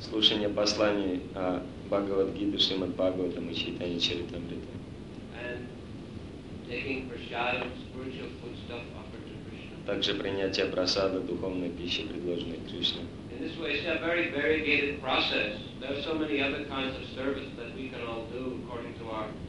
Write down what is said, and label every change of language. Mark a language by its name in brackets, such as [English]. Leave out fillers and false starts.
[Russian] Слушание посланий Бхагавад Гиты, Шримад Бхагаватам и Чайтанья Чаритамрита. [English] And taking prasada, spiritual foodstuff offered to Krishna. [Russian] Также принятие прасада, духовной пищи, предложенной Кришне. [English] In this way, it's a very variegated process. There are so many other kinds of service that we can all do according to our